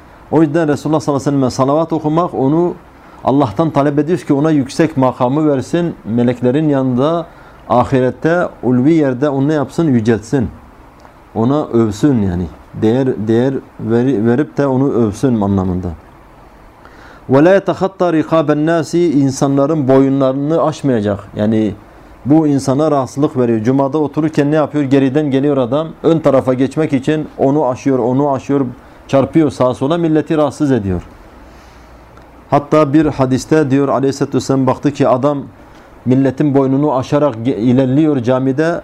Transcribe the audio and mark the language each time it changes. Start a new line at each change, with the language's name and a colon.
Turkish: O yüzden Resulullah sallallahu aleyhi ve sellem salavat okumak onu Allah'tan talep ediyoruz ki ona yüksek makamı versin, meleklerin yanında, ahirette, ulvi yerde onu ne yapsın? Yüceltsin. Ona övsün yani. Değer verip de onu övsün anlamında.
Arabic: وَلَا يَتَخَطَّ رِقَابَ النَّاسِ
Turkish: İnsanların boyunlarını aşmayacak. Yani bu insana rahatsızlık veriyor. Cuma'da otururken ne yapıyor? Geriden geliyor adam. Ön tarafa geçmek için onu aşıyor, çarpıyor sağa sola, milleti rahatsız ediyor. Hatta bir hadiste diyor Aleyhisselatü Vesselam baktı ki adam milletin boynunu aşarak ilerliyor camide.